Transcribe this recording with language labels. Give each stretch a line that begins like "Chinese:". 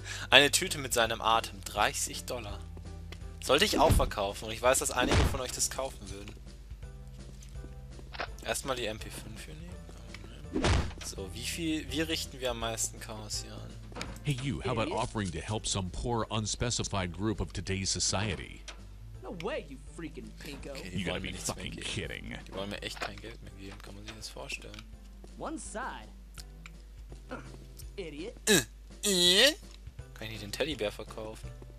German: Eine Tüte mit seinem Atem. $30. Sollte ich auch verkaufen. Und ich weiß, dass einige von euch das kaufen würden. Erstmal die MP5 hier nehmen. So, wie richten wir am meisten Chaos hier an?
English: Hey you, how about offering to help some poor unspecified group of today's society? No way, you freaking pinko. Okay, you gotta be fucking kidding.
German: Die wollen mir echt kein Geld mehr geben. Kann man sich das vorstellen?
English: One side. Idiot.
German: Kann ich den Teddybär verkaufen?